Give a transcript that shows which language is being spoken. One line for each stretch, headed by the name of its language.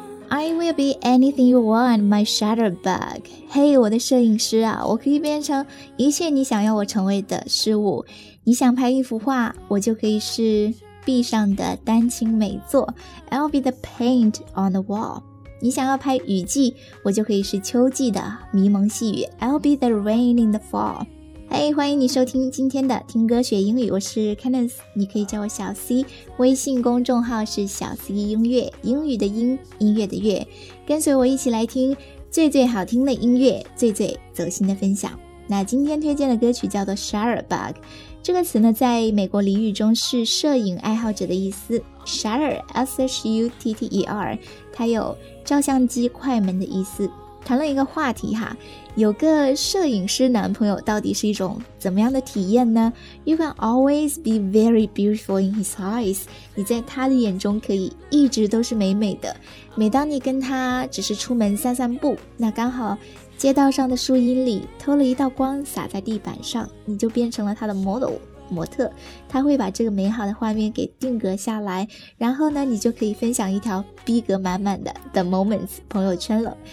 English: I will be anything you want, my shadow bug.
Chinese: Hey, 我的摄影师啊，我可以变成一切你想要我成为的事物。你想拍一幅画，我就可以是壁上的丹青美作。
English: I'll be the paint on the wall.
Chinese: 你想要拍雨季，我就可以是秋季的迷蒙细雨。
English: I'll be the rain in the fall.
Chinese: Hey, 欢迎你收听今天的听歌学英语，我是 Candice， 你可以叫我小 C， 微信公众号是小 C 音乐，英语的音，音乐的乐，跟随我一起来听最最好听的音乐，最最走心的分享。那今天推荐的歌曲叫做 Shutterbug， 这个词呢在美国俚语中是摄影爱好者的意思， Shutter S-H-U-T-T-E-R， 它有照相机快门的意思。谈论一个话题哈，有个摄影师男朋友到底是一种怎么样的体验呢？
English: You can always be very beautiful in his eyes，
Chinese: 你在他的眼中可以一直都是美美的。每当你跟他只是出门散散步，那刚好街道上的树荫里偷了一道光洒在地板上，你就变成了他的 model 模特，他会把这个美好的画面给定格下来，然后呢你就可以分享一条逼格满满的 the moments 朋友圈了。